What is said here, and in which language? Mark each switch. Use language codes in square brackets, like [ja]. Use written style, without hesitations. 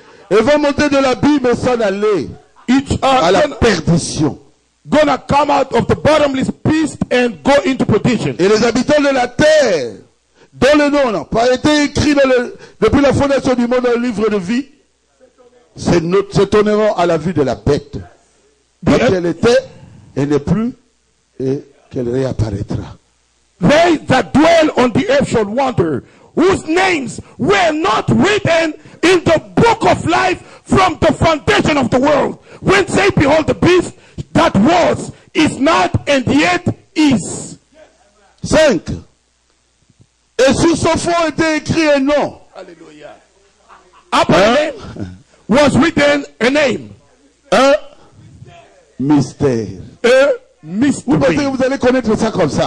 [fr] Elle va monter de l'abîme et s'en aller. À la perdition. [en] Gonna come out of the bottomless beast and go into perdition. [fr] Et les habitants de la terre, dont le nom n'a pas été écrit depuis la fondation du monde dans le livre de vie, s'étonneront à la vue de la bête. Quand elle était, elle n'est plus, et qu'elle réapparaîtra. [en] They that dwell on the earth shall wonder, whose names were not written in the book of life from the foundation of the world. When they behold the beast, that was, is not, and yet is. [fr] 5. Et sur son front était écrit un nom. Alléluia. [en] Upon him was written a name. [fr] Un mystère. Un mystère. Vous pensez que vous allez connaître ça comme ça?